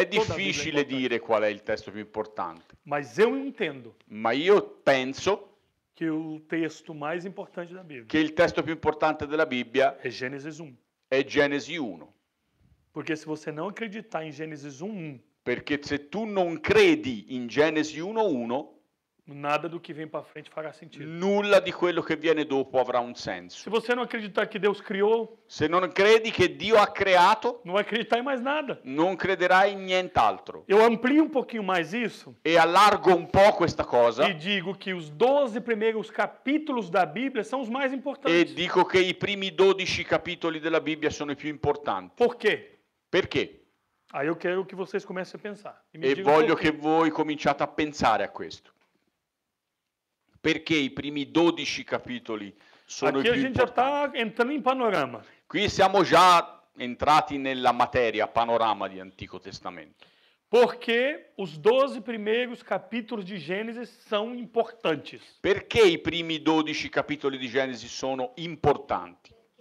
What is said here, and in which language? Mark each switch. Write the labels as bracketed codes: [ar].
[it] È difficile dire qual è il testo più importante. [pt] Mas eu entendo. [it] Ma io penso che il testo più importante della Bibbia. Che il testo più importante della Bibbia è Genesi 1. È Genesi 1. [pt] Perché se você não acreditar em Gênesis 1, [it] perché se tu non credi in Genesi 1:1, [pt] Nada do que vem para frente fará sentido. [it] Nulla di quello che viene dopo avrà un senso. [pt] Se você não acreditar que Deus criou, [it] se non credi che Dio ha creato, [pt] não vai acreditar em mais nada. [it] Non crederai in nient'altro. [pt] Eu amplio um pouquinho mais isso. [it] E allargo un po' questa cosa. [pt] E digo que os 12 primeiros capítulos da Bíblia são os mais importantes. [it] E dico che i primi 12 capitoli della Bibbia sono i più importanti. [pt] Por quê? [it] Perché? [pt] Aí eu quero que vocês comecem a pensar. [it] E voglio che voi cominciate a pensare a questo. Perché i primi 12 capitoli sono [pt] aqui [it] i più importanti? [pt] Aqui a gente já está entrando em panorama. [it] Qui siamo già entrati nella materia, panorama di Antico Testamento. [pt] Porque os 12 primeiros capítulos de Gênesis são importantes. [it] Perché i primi 12 capitoli di Gênesis sono importanti?